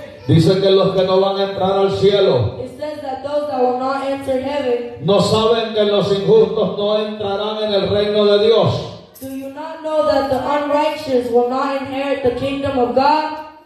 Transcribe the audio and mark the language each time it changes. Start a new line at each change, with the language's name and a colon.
Spanish: Dice que los que no van a entrar al cielo.
English: It says that those that will not enter heaven.
Spanish: No saben que los injustos no entrarán en el reino de Dios.
English: Do you not know that the unrighteous will not inherit the kingdom of God?